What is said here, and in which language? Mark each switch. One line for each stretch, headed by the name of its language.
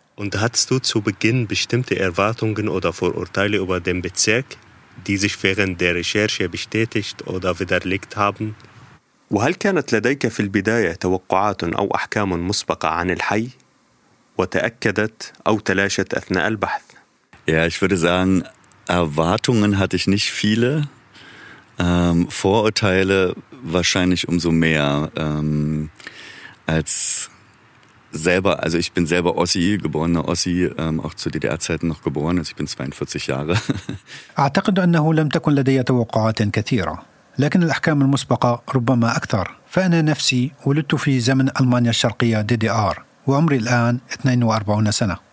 German: Und hattest du zu Beginn bestimmte Erwartungen oder Vorurteile über den Bezirk, die sich während der Recherche bestätigt oder widerlegt haben?
Arabic: وهل كانت لديك في البداية توقعات أو أحكام مسبقة عن الحي وتأكدت أو تلاشت أثناء البحث؟
German: Ja, ich würde sagen, Erwartungen hatte ich nicht viele. Vorurteile wahrscheinlich umso mehr. Also ich bin selber Ossi, geborener Ossi, auch zu DDR-Zeiten noch geboren, also ich bin 42 Jahre.
Arabic: أعتقد أنه لم تكن لدي توقعات كثيرة، لكن الأحكام المسبقة ربما أكثر، فأنا نفسي ولدت في زمن ألمانيا الشرقية DDR وعمري الآن 42 سنة.